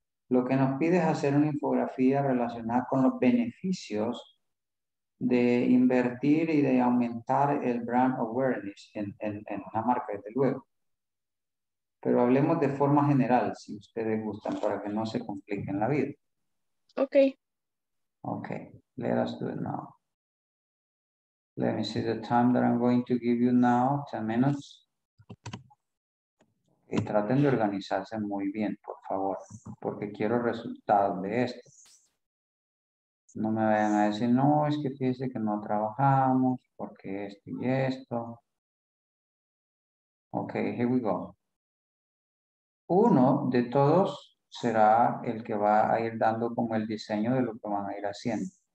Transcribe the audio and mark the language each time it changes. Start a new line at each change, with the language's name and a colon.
Spanish: Lo que nos pide es hacer una infografía relacionada con los beneficios de invertir y de aumentar el brand awareness en una marca, desde luego. Pero hablemos de forma general, si ustedes gustan, para que no se compliquen la vida. Ok.
English: Ok, let us do it now. Let me see the time that I'm going to give you now, 10 minutes.
Spanish: Y traten de organizarse muy bien, por favor, porque quiero resultados de esto. No me vayan a decir, no, es que fíjense que no trabajamos, porque esto y esto.
English: Ok, here we go.
Spanish: Uno de todos será el que va a ir dando como el diseño de lo que van a ir haciendo.